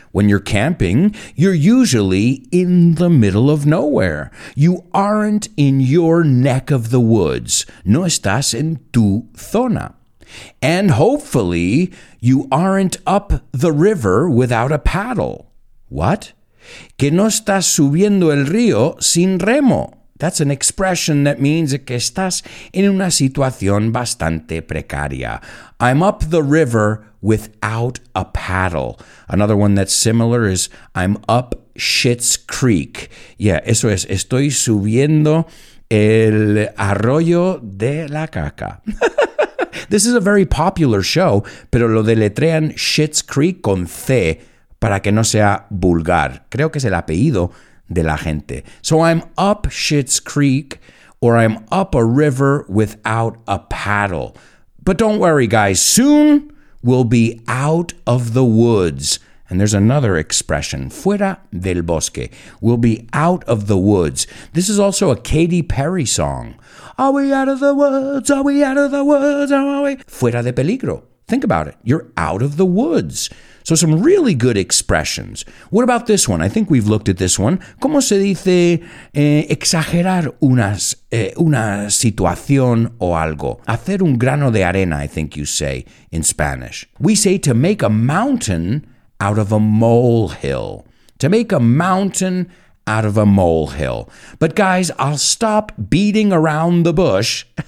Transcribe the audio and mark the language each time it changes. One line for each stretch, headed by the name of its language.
English: When you're camping, you're usually in the middle of nowhere. You aren't in your neck of the woods.
Spanish: No estás en tu zona.
English: And hopefully, you aren't up the river without a paddle. What?
Spanish: Que no estás subiendo el río sin remo.
English: That's an expression that means
Spanish: que estás en una situación bastante precaria.
English: I'm up the river without a paddle. Another one that's similar is I'm up Schitt's Creek.
Spanish: Yeah, eso es. Estoy subiendo el arroyo de la caca.
English: This is a very popular show,
Spanish: pero lo deletrean Schitt's Creek con C para que no sea vulgar. Creo que es el apellido de la gente.
English: So I'm up Schitt's Creek, or I'm up a river without a paddle. But don't worry, guys. Soon we'll be out of the woods. And there's another expression,
Spanish: fuera del bosque.
English: We'll be out of the woods. This is also a Katy Perry song. Are we out of the woods? Are we out of the woods? Are we?
Spanish: Fuera de peligro.
English: Think about it. You're out of the woods. So some really good expressions. What about this one? I think we've looked at this one.
Spanish: ¿Cómo se dice exagerar una situación o algo? Hacer un grano de arena,
English: I think you say in Spanish. We say to make a mountain out of a molehill. To make a mountain out of a molehill. But guys, I'll stop beating around the bush.